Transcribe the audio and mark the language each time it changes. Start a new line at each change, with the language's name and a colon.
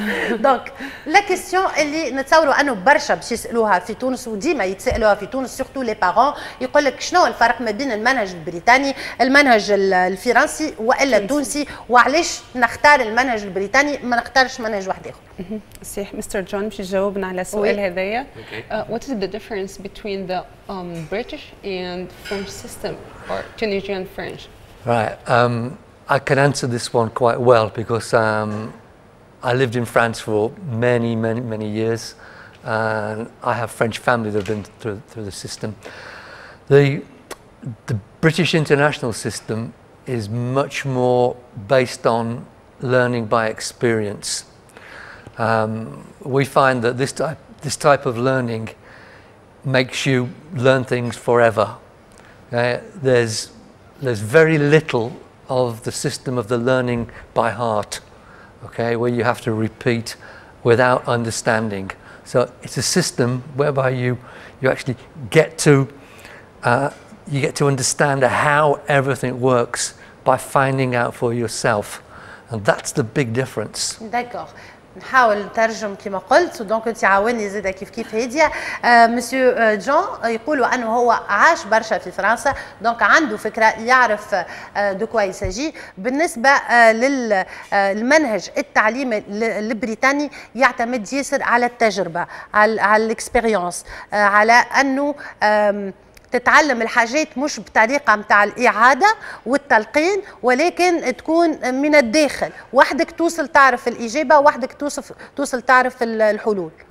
Arabic: دونك لا كيستيون اللي نتصوروا انه برشا باش يسألوها في تونس وديما يتسألوها في تونس سيرتو لي بارون يقول لك شنو الفرق ما بين المنهج البريطاني المنهج الفرنسي والا التونسي وعلاش نختار المنهج البريطاني ما نختارش منهج واحد اخر. صحيح مستر جون باش يجاوبنا على السؤال هذايا.
English: What is the difference between the British and French system or Tunisian French? Right, I can answer this one quite well because I lived in France for many, many, many years and I have French family that have been through the system. The British international system is much more based on learning by experience. We find that this type of learning makes you learn things forever. There's very little of the system of the learning by heart, okay, where you have to repeat without understanding. So it's a system whereby you actually get to you get to understand how everything works by finding out for yourself, and that's the big difference.
French: D'accord.
Arabic: نحاول نترجم كما قلت دونك انت عاوني زيد كيف هيديا. مسيو جون يقولوا انه هو عاش برشا في فرنسا دونك عنده فكره يعرف
French: دو كوا يساجي.
Arabic: بالنسبه للمنهج التعليمي البريطاني يعتمد ياسر على التجربه على الاكسبيريونس على انه تتعلم الحاجات مش بطريقة متاع الإعادة والتلقين ولكن تكون من الداخل وحدك توصل تعرف الإجابة وحدك توصل تعرف الحلول.